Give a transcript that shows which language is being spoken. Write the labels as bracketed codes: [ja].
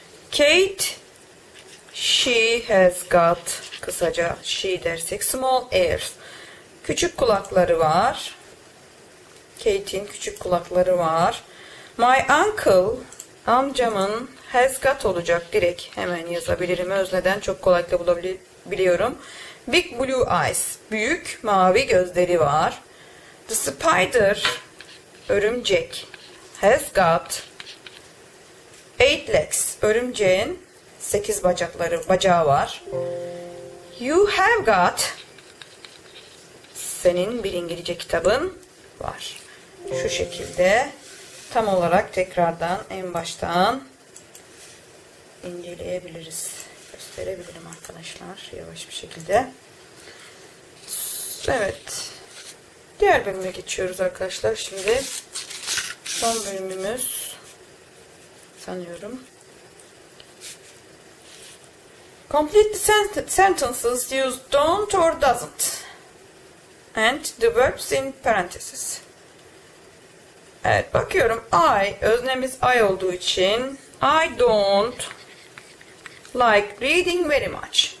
[en] Kate, she has got, [tr] kısaca she dersek, [en] small ears. [tr] Küçük kulakları var. Kate'in küçük kulakları var. [en] My uncle, [tr] amcamın, [en] has got [tr] olacak. Direkt hemen yazabilirim. Özne'den çok kolaylıkla bulabiliyorum. [en] Big blue eyes. [tr] Büyük mavi gözleri var. [en] The spider, [tr] örümcek, [en] has got 8 legs. [tr] Örümceğin 8 bacakları, bacağı var. [en] You have got, [tr] senin bir İngilizce kitabın var. şu şekilde tam olarak tekrardan en baştan inceleyebiliriz. Gösterebilirim arkadaşlar yavaş bir şekilde. Evet. Diğer bölüme geçiyoruz arkadaşlar. Şimdi son bölümümüz sanıyorum. [en] Complete the sentences used don't or doesn't. And the verbs in parentheses. [tr] Evet bakıyorum. [en] I, [tr] öznemiz I olduğu için. [en] I don't like reading very much.